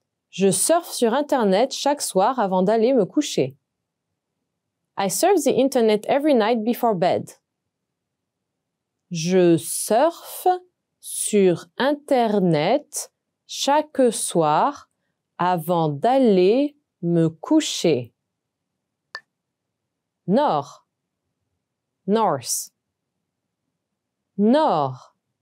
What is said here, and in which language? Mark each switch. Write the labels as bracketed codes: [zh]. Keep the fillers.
[fr] Je surfe sur Internet chaque soir avant d'aller me coucher. [en] I surf the Internet every night before bed. [fr] Je surf sur Internet chaque soir avant d'aller me coucher. Nord. North. Nord.